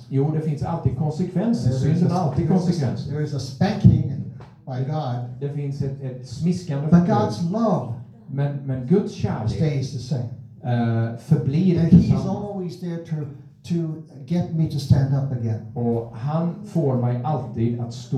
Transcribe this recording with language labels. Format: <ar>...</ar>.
<sv>Jo, det finns alltid konsekvenser.</sv> <en>There is a spanking by God.</en> <sv>Det finns ett smiskande.</sv> <en>But God's love.</en> <sv>Men Guds kärlek</sv> <en>stays the same.</en> <sv>Förblir</sv> <en>and he's always there to get me to stand up again.</en> <sv>Och han får mig alltid att stå</sv>